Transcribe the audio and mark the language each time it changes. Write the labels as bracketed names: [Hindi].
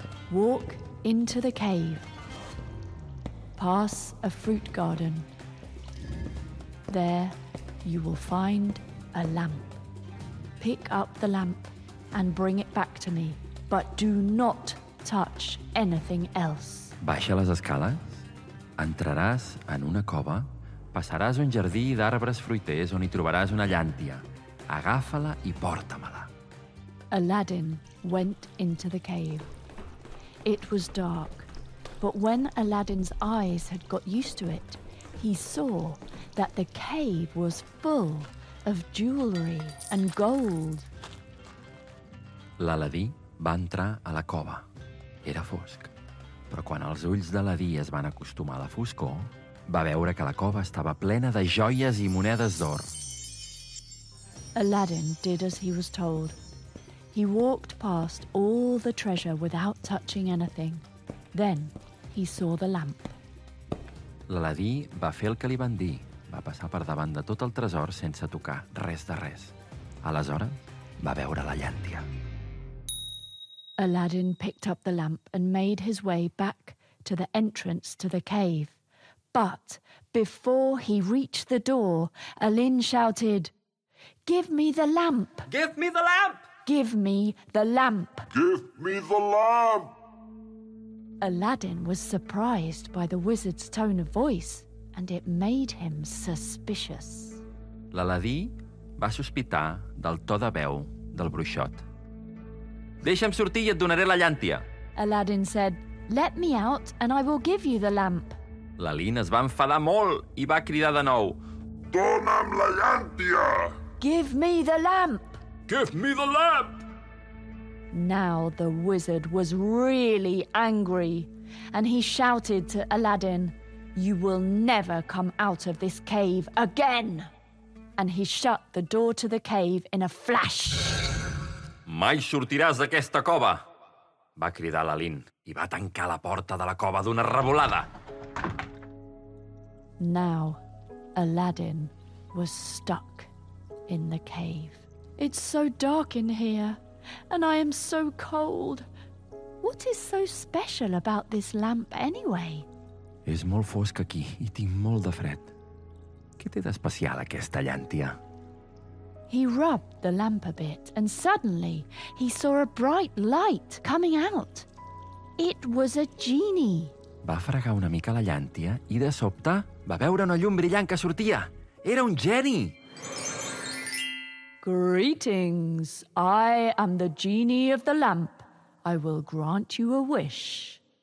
[English] Walk into the cave. Pass a fruit garden. There, you will find a lamp. Pick up the lamp and bring it back to me, but do not touch anything else. [Catalan] Baixa les escales, entraràs en una cova, passaràs un jardí d'arbres fruiters on hi trobaràs una llàntia. Agafa-la i porta-me-la. [English] Aladdin went into the cave. It was dark, But when Aladdin's eyes had got used to it, he saw that the cave was full of jewelry and gold. [Catalan] L'Aladí va entrar a la cova. Era fosc. Però quan els ulls d'Aladí es van acostumar a la foscor, va veure que la cova estava plena de joies i monedes d'or. [English] Aladdin did as he was told. He walked past all the treasure without touching anything. Then he saw the lamp. [Catalan] L'Aladí va fer el que li van dir. Va passar per davant de tot el tresor sense tocar res de res. Aleshores, va veure la llàntia. [English] Aladdin picked up the lamp and made his way back to the entrance to the cave. But before he reached the door, Aladdin shouted, "Give me the lamp! Give me the lamp! Give me the lamp! Give me the lamp!" Aladdin was surprised by the wizard's tone of voice, and it made him suspicious. [Catalan] L'Aladí va sospitar del to de veu del bruixot. "Deixa'm sortir i et donaré la llàntia." [English] Aladdin said, "Let me out and I will give you the lamp." [Catalan] L'Aladdin es va enfadar molt i va cridar de nou, "Dóna'm la llàntia!" [English] "Give me the lamp!" "Give me the lamp!" Now the wizard was really angry and he shouted to Aladdin, "You will never come out of this cave again!" And he shut the door to the cave in a flash. [Catalan] "Mai sortiràs d'aquesta cova!" va cridar l'Aladdin i va tancar la porta de la cova d'una revolada. [English] Now Aladdin was stuck in the cave. "It's so dark in here, and I am so cold. What is so special about this lamp anyway?" [Catalan] "És molt fosc aquí i tinc molt de fred. Què té d'especial aquesta llàntia?" [English] He rubbed the lamp a bit and suddenly he saw a bright light coming out. It was a genie. [Catalan] Va fregar una mica la llàntia i de sobte va veure una llum brillant que sortia. Era un geni! [English] "Greetings. I am the genie of the lamp. I will grant you a wish."